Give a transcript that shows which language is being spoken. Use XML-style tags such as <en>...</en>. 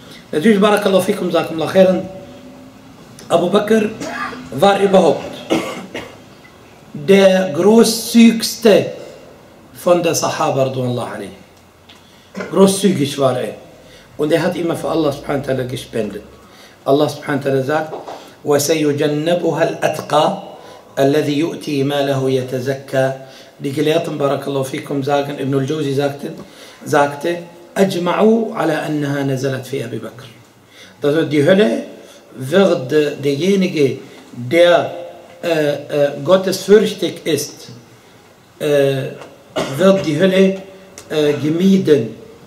<de>Natürlich,</de> <ar>barakallahu fikum,</ar> <de>sagt Allah khairan, Abu Bakr war überhaupt der großzügigste von der Sahaba Ridwanullahi alayhi. Großzügig war er. Und er hat immer für Allah</de> <ar>subhanahu wa ta'ala</ar> <de>gespendet.</de> <ar>Allah subhanahu wa ta'ala sagt, وَسَيُجَنَّبُهَا الْأَتْقَى الَّذِي يُؤْتِي مَالَهُ يَتَزَكَّى.</ar> <de>Die Gelehrten,</de> <ar>barakallahu fikum, sagen, Ibn al-Jawzi sagte, أَجْمَعُوا عَلَى أَنَّهَا نَزَلَتْ فِي أَبِي بَكْرٍ.</ar> <de>Das heißt, die Hölle wird derjenige, der gottesfürchtig ist, wird die Hölle gemieden.</de>